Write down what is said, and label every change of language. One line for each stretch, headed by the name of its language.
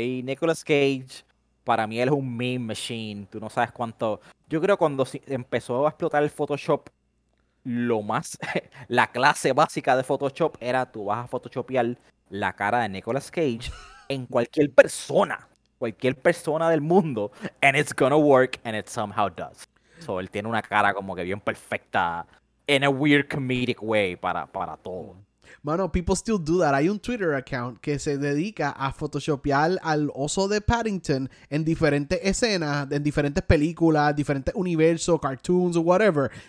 Spanish: Y Nicolas Cage, para mí él es un meme machine. Tú no sabes cuánto... Yo creo cuando empezó a explotar el Photoshop, lo más... la clase básica de Photoshop era tú vas a photoshopear la cara de Nicolas Cage en cualquier persona. Cualquier persona del mundo.
English: And it's gonna work, and it somehow does.
Spanish: So, él tiene una cara como que bien perfecta
English: in a weird comedic way
Spanish: para todo. Mano,
English: people still do that.
Spanish: Hay un Twitter account que se dedica a photoshopear al oso de Paddington en diferentes escenas, en diferentes películas, diferentes universos, cartoons, whatever.